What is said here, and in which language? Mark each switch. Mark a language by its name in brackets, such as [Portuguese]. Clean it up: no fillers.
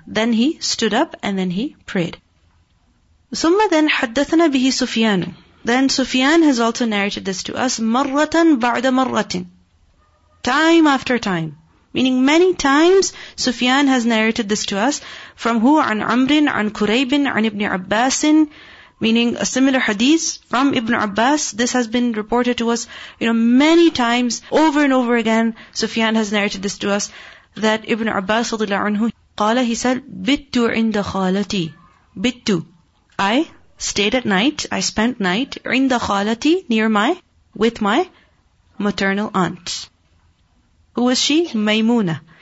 [English] Then he stood up and then he prayed. [Arabic] ثم [English] then [Arabic] حدثنا به سفيان. [English] Then Sufyan has also narrated this to us. [Arabic] مرة بعد مرة. [English] Time after time. Meaning many times Sufyan has narrated this to us. From who? [Arabic] عن عمر, عن كريب, عن ابن عباس. [English] Meaning a similar hadith from Ibn Abbas. This has been reported to us, you know, many times, over and over again. Sufyan has narrated this to us. That Ibn Abbas radiallahu anhu qala, he said, [Arabic] bittu inda khalati. Bittu, [English] I stayed at night, I spent night, [Arabic] inda khalati, [English] near my, with my maternal aunt. Who was she? Maymuna.